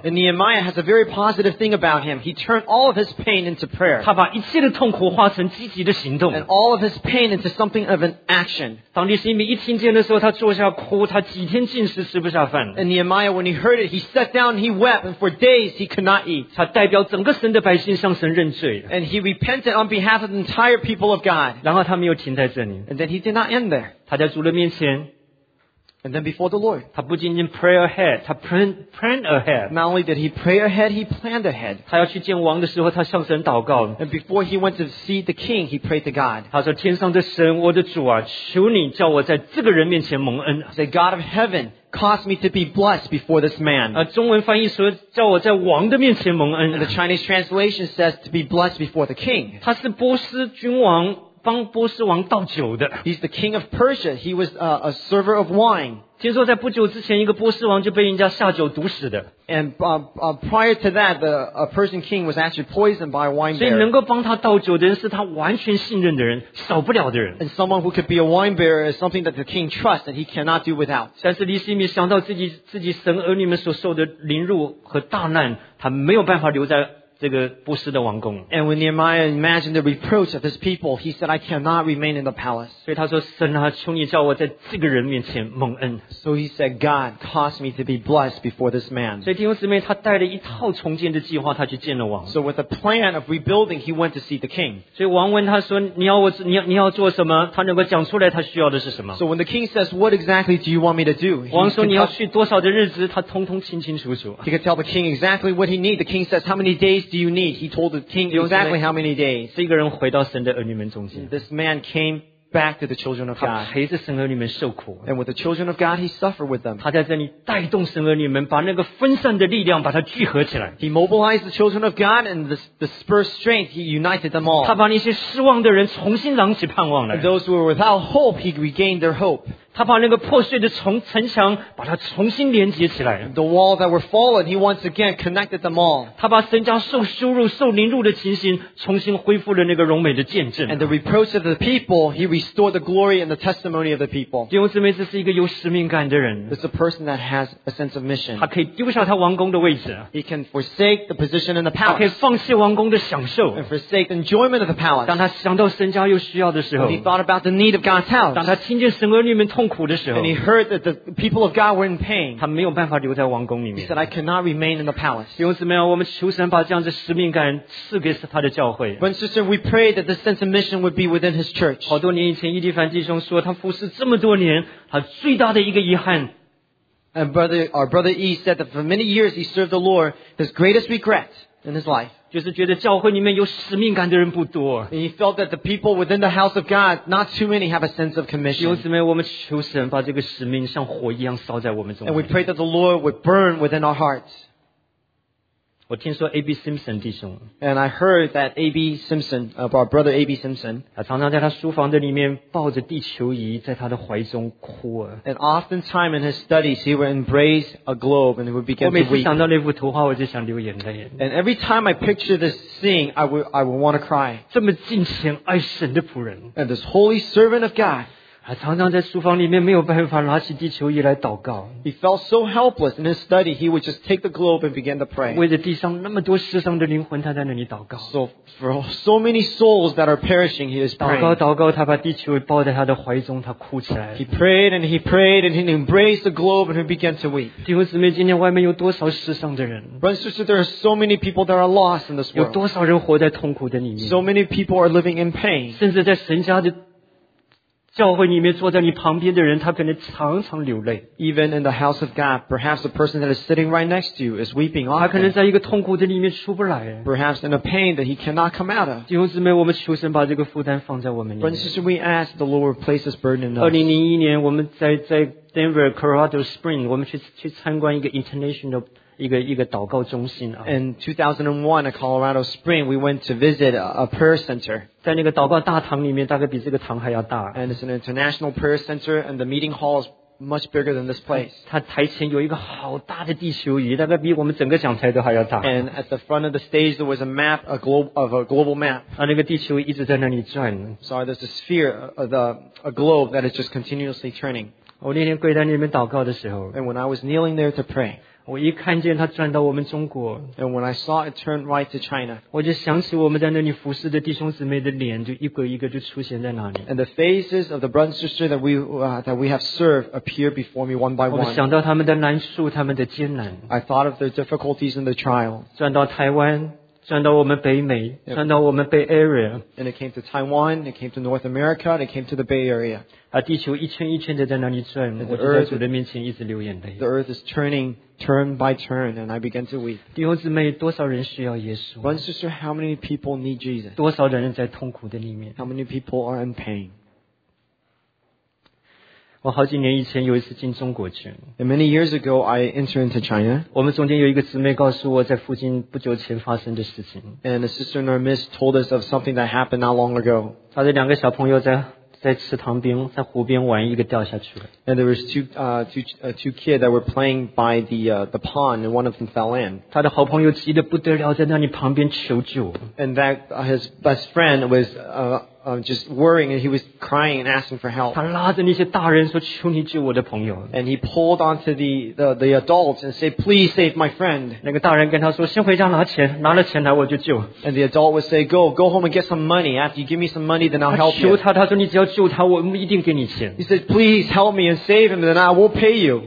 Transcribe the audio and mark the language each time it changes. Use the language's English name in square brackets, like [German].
[English] And Nehemiah has a very positive thing about him. He turned all of his pain into prayer. [Chinese] 他把一切的痛苦化成积极的行动。 [English] And all of his pain into something of an action. [Chinese] 当利希米一听见的时候，他坐下哭，他几天进食吃不下饭。 [English] And Nehemiah, when he heard it, he sat down and he wept, and for days days he could not eat. [Chinese] 他代表整个神的百姓向神认罪。 [English] And he repented on behalf of the entire people of God. [Chinese] 然后他没有停在这里。 [English] And then he did not end there. [Chinese] 他在主的面前。 [English] And then before the Lord. [Chinese] 他不仅仅 [English] pray ahead, [Chinese] 他 [English] plan ahead. Not only did he pray ahead, he planned ahead. [Chinese] 他要去见王的时候他向神祷告。 [English] And before he went to see the king, he prayed to God. [Chinese] 他说天上的神我的主啊求你叫我在这个人面前蒙恩。 [English] Say, God of heaven, cause me to be blessed before this man. [Chinese] 中文翻译说叫我在王的面前蒙恩。 [English] And the Chinese translation says to be blessed before the king. [Chinese] 他是波斯君王帮波斯王倒酒的。 [English] He's the king of Persia. He was a server of wine. [Chinese] 听说在不久之前一个波斯王就被人家下酒毒死的。 [English] And prior to that, a Persian king was actually poisoned by a wine bearer. [Chinese] 所以能够帮他倒酒的人是他完全信任的人少不了的人。 [English] And someone who could be a wine bearer is something that the king trusts and he cannot do without. [Chinese] 但是尼西米想到自己神儿女们所受的凌辱和大难他没有办法留在这个波斯的王宫。 [English] And when Nehemiah imagined the reproach of his people, he said, I cannot remain in the palace. [Chinese] 所以他说神啊求你叫我在这个人面前蒙恩。 [English] So he said, God, cause me to be blessed before this man. [Chinese] 所以弟兄姊妹他带了一套重建的计划他去见了王。 [English] So with a plan of rebuilding, he went to see the king. [Chinese] 所以王问他说你要做什么他能够讲出来他需要的是什么。 [English] So when the king says, what exactly do you want me to do? [Chinese] 王说你要去多少的日子他通通清清楚楚。 [English] He could tell the king exactly what he needs. The king says, how many days do you need? He told the king exactly how many days. [Chinese] 这个人回到神的儿女们中间。 [English] This man came back to the children of God. [Chinese] 他陪着神儿女们受苦。 [English] And with the children of God, he suffered with them. [Chinese] 他在这里带动神儿女们把那个分散的力量把它聚合起来。 [English] He mobilized the children of God and the dispersed strength, he united them all. [Chinese] 他把那些失望的人重新燃起盼望来。 [English] Those who were without hope, he regained their hope. [Chinese] 他把那个破碎的城墙把它重新连接起来。 [English] The wall that were fallen, he once again connected them all. [Chinese] 他把神家受羞辱、受凌辱的情形重新恢复了那个荣美的见证。 [English] And the reproach of the people, he restored the glory and the testimony of the people. [Chinese] 弟兄姊妹，这是一个有使命感的人。 [English] It's a person that has a sense of mission. [Chinese] 他可以丢下他王宫的位置。 [English] He can forsake the position in the palace. [Chinese] 他可以放弃王宫的享受。 [English] And forsake the enjoyment of the palace. [Chinese] 当他想到神家有需要的时候。 [English] When he thought about the need of God's house. [Chinese] 当他听见神儿女们痛 [English] And he heard that the people of God were in pain. [Chinese] 他没有办法留在王宫里面。 [English] He said, I cannot remain in the palace. [Chinese] 弟兄姊妹，我们求神把这样的使命感赐给他的教会。 [English] But sister, we pray that the sense of mission would be within his church. [Chinese] 好多年以前，伊迪凡弟兄说，他服侍这么多年，他最大的一个遗憾。 [English] And our brother E said that for many years he served the Lord, his greatest regret in his life. [Chinese] 就是觉得教会里面有使命感的人不多。 [English] And he felt that the people within the house of God, not too many have a sense of commission. [Chinese] 弟兄姊妹，我们求神把这个使命像火一样烧在我们中间。 [English] And we pray that the Lord would burn within our hearts. [Chinese] 我听说 A.B. Simpson 弟兄。 [English] And I heard that A.B. Simpson, our brother A.B. Simpson, [Chinese] 他常常在他书房的里面抱着地球仪在他的怀中哭。 [English] And oftentimes in his studies, he would embrace a globe and he would begin to weep. [Chinese] 我每次想到那幅图画我就想流眼泪。 [English] And every time I picture this scene, I would want to cry. [Chinese] 这么敬虔爱神的仆人。 [English] And this holy servant of God, [Chinese] 他常常在书房里面没有办法拿起地球仪来祷告。 [English] He felt so helpless in his study, he would just take the globe and begin to pray. [Chinese] 为着地上那么多失丧的灵魂他在那里祷告。 [English] So for so many souls that are perishing, he is praying. [Chinese] 祷告他把地球仪抱在他的怀中他哭起来。 [English] He prayed and he embraced the globe and he began to weep. [Chinese] 弟兄姊妹今天外面有多少失丧的人。 [English] But sister, there are so many people that are lost in this world. [Chinese] 有多少人活在痛苦的里面。 [English] So many people are living in pain. [Chinese] 甚至在神家的教会里面坐在你旁边的人他可能常常流泪。 [English] Even in the house of God, perhaps the person that is sitting right next to you is weeping often. [Chinese] 他可能在一个痛苦的里面出不来。 [English] Perhaps in a pain that he cannot come out of. [Chinese] 弟兄姊妹我们求神把这个负担放在我们里面。 [English] But sister, we ask the Lord place this burden in us. [Chinese] 2001年我们在 Denver, Colorado Springs, 我们去参观一个 international一个祷告中心啊。 [English] In 2001, at Colorado Springs, we went to visit a prayer center. [Chinese] 在那个祷告大堂里面，大概比这个堂还要大。 [English] And it's an international prayer center, and the meeting hall is much bigger than this place. [Chinese] 它台前有一个好大的地球仪，大概比我们整个讲台都还要大。 [English] And at the front of the stage, there was a map, a global map. [Chinese] 那个地球一直在那里转。 [English] So there's a sphere, a globe that is just continuously turning. [Chinese] 我那天跪在那边祷告的时候。 [English] And when I was kneeling there to pray. [Chinese] 我一看见他转到我们中国 [English] And when I saw it turn right to China, [Chinese] 我就想起我们在那里服侍的弟兄姊妹的脸就一个一个就出现在那里 [English] And the faces of the brothers and sisters that we have served appear before me one by one. [Chinese] 我想到他们的难处他们的艰难 [English] I thought of their difficulties and their trial. [Chinese] 转到台湾转到我们北美转到我们 Bay Area. [English] And it came to Taiwan, it came to North America, and it came to the Bay Area. [Chinese] 地球一圈一圈地在那里转我就在主的面前一直流眼泪 [English] The earth is turning turn by turn and I began to weep [Chinese] 弟兄姊妹多少人需要耶稣 [English] One sister, how many people need Jesus? [Chinese] 多少人在痛苦的里面 [English] How many people are in pain? [Chinese] 我好几年以前有一次进中国去 [English] And many years ago, I entered into China [Chinese] 我们中间有一个姊妹告诉我在附近不久前发生的事情 [English] And a sister in our midst told us of something that happened not long ago [Chinese] 她的两个小朋友在池塘边在湖边玩一个掉下去了 [English] And there was two kids that were playing by the pond and one of them fell in [Chinese] 他的好朋友急得不得了在那里旁边求救 [English] And that his best friend was just worrying and he was crying and asking for help [Chinese] 他拉着那些大人说求你救我的朋友 [English] And he pulled onto the adults and said please save my friend [Chinese] 那个大人跟他说先回家拿钱拿了钱来我就救 [English] And the adult would say go home and get some money after you give me some money then I'll help you [Chinese] 他求他他说你只要救他我一定给你钱 [English] He said please help me and save him then I will pay you